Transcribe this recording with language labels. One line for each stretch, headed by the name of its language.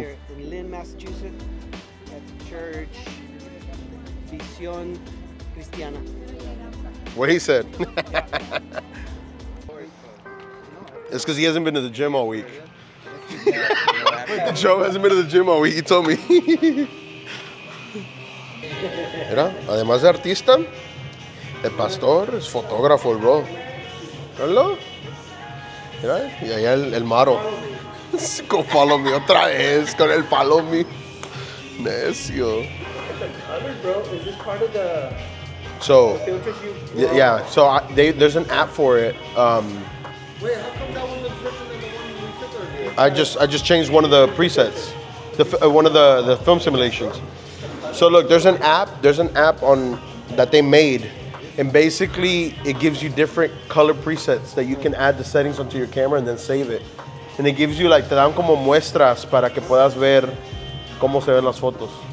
English: Here in Lynn, Massachusetts, at the church Vision Cristiana. What he said. It's because he hasn't been to the gym all week. Joe hasn't been to the gym all week, he told me.
Spanish: Mira, además de artista, el pastor es fotógrafo, bro.
English: Hello?
Spanish: Mira, y allá el maro.
English: Go follow me
Spanish: otra vez con el
English: follow me.
Spanish: Necio.
English: So, yeah, so there's an app for it. Wait, how come that one looks different than the one we took I just changed one of the presets, one of the film simulations. So look, there's an app on that they made, and basically it gives you different color presets that you can add the settings onto your camera and then save it. And it gives you like,
Spanish: te dan como muestras para que puedas ver cómo se ven las fotos.